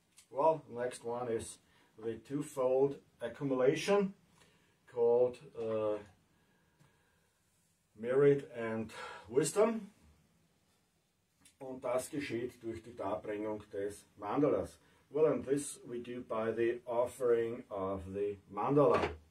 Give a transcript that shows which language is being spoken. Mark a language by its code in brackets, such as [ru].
[en] Well, next one is the twofold accumulation called Merit and Wisdom. [de] Und das geschieht durch die Darbringung des Mandalas. [en] Well, and this we do by the offering of the Mandala.